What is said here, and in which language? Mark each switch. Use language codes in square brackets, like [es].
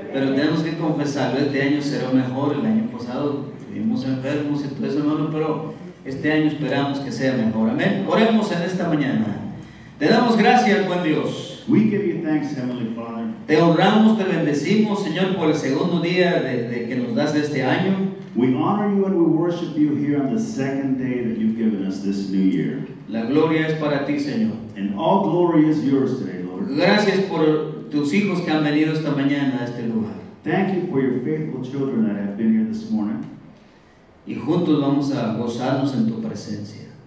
[es] Pero tenemos que confesarlo, este año será mejor. El año pasado estuvimos enfermos y todo eso, hermano, pero este año esperamos que sea mejor. Amén. Oremos en esta mañana. Te damos gracias, buen Dios. [en] We give you thanks, Heavenly Father. [es] Te honramos, te bendecimos, Señor, por el segundo día de que nos das de este año. [en] We honor you and we worship you here on the second day that you've given us this new year. [es] La gloria es para ti, Señor. [en] And all glory is yours today, Lord. [es] Gracias por tus hijos que han venido esta mañana a este lugar. [en] Thank you for your faithful children that have been here this morning. [es] Y juntos vamos a gozarnos en tu presencia.